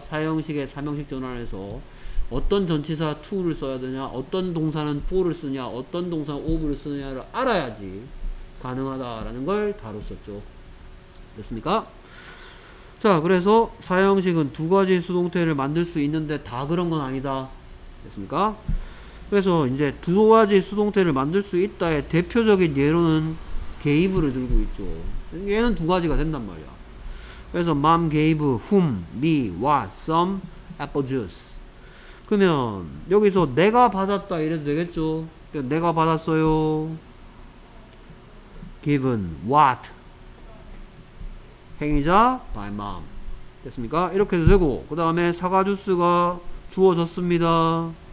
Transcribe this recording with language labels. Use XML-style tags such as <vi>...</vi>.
<ko>사형식의 3형식 전환에서 어떤 전치사 to를 써야 되냐, 어떤 동사는 for를 쓰냐, 어떤 동사는 of를 쓰냐를 알아야지 가능하다라는 걸 다뤘었죠. 됐습니까? 자, 그래서 사형식은 두 가지 수동태를 만들 수 있는데 다 그런 건 아니다. 됐습니까? 그래서 이제 두 가지 수동태를 만들 수 있다의 대표적인 예로는 gave를 들고 있죠. 얘는 두 가지가 된단 말이야. 그래서</ko> <en>mom gave whom, me, what, some apple juice.</en> <ko>그러면 여기서 내가 받았다 이래도 되겠죠. 그러니까 내가 받았어요.</ko> <en>given what</en> <ko>행위자</ko> <en>by mom</en> <ko>됐습니까? 이렇게도 되고 그 다음에 사과 주스가 주어졌습니다.</ko>